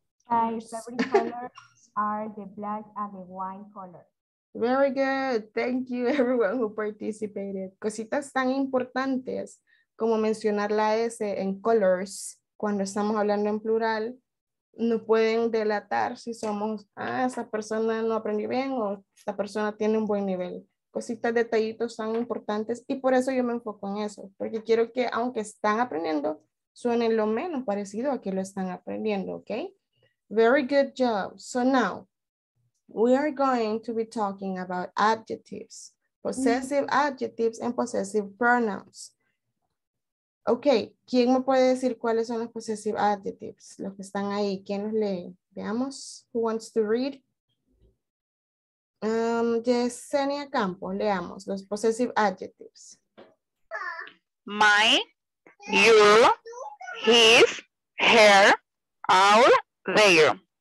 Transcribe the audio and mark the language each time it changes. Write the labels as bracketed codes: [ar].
[en] My favorite colors are the black and the white color. Very good. Thank you, everyone who participated. [es] Cositas tan importantes como mencionar la S en colors, cuando estamos hablando en plural, no pueden delatar si somos, ah, esa persona no aprendió bien o esta persona tiene un buen nivel. Cositas, detallitos tan importantes y por eso yo me enfoco en eso, porque quiero que aunque están aprendiendo, suenen lo menos parecido a que lo están aprendiendo, ¿ok? [en] Very good job. So now, we are going to be talking about adjectives, possessive adjectives and possessive pronouns. [es] Okay, ¿quién me puede decir cuáles son los possessive adjectives? Los que están ahí, ¿quién los lee? Veamos, [en] who wants to read? [es] Yesenia Campo, leamos los possessive adjectives. [en] My, your, his, her, our, their.